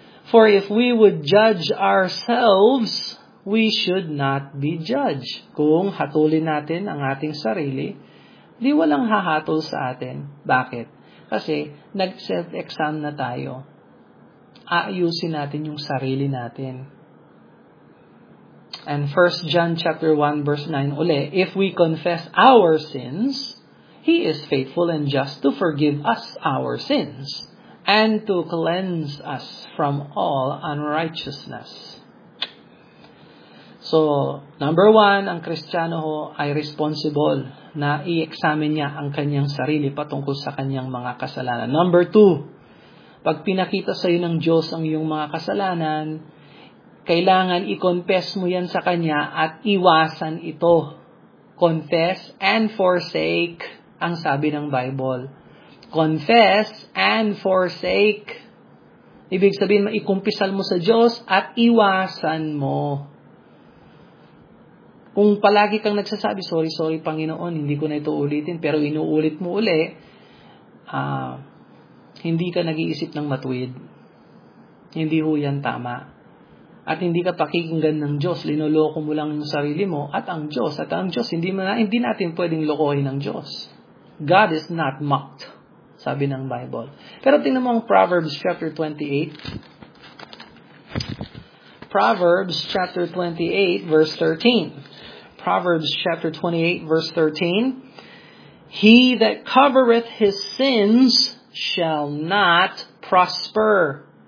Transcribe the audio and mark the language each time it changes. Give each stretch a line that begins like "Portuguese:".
English: For if we would judge ourselves, we should not be judged.
Filipino: Kung hatulin natin ang ating sarili, di walang hahatol sa atin. Bakit? Kasi nag-self-exam na tayo. Aayusin natin yung sarili natin.
English: And 1 John chapter 1 verse 9
Filipino: uli,
English: if we confess our sins, He is faithful and just to forgive us our sins and to cleanse us from all unrighteousness.
Filipino: So, number one, ang Kristiyano ho ay responsible na i-examine niya ang kanyang sarili patungkol sa kanyang mga kasalanan. Number two, pag pinakita sa iyo ng Diyos ang iyong mga kasalanan, kailangan i-confess mo yan sa kanya at iwasan ito.
English: Confess and forsake,
Filipino: ang sabi ng
English: Bible. Confess and forsake.
Filipino: Ibig sabihin, maikumpisal mo sa Diyos at iwasan mo. Kung palagi kang nagsasabi, sorry, sorry, Panginoon, hindi ko na ito ulitin, pero inuulit mo uli, hindi ka nag-iisip ng matuwid. Hindi ho yan tama. At hindi ka pakikinggan ng Diyos, linoloko mo lang yung sarili mo at ang Diyos. At ang Diyos, hindi natin pwedeng lokohin ng Diyos.
English: God is not mocked,
Filipino: sabi ng Bible. Pero tingnan mo ang Proverbs chapter 28.
English: Proverbs chapter 28 verse 13. Proverbs chapter 28 verse 13. He that covereth his sins shall not prosper.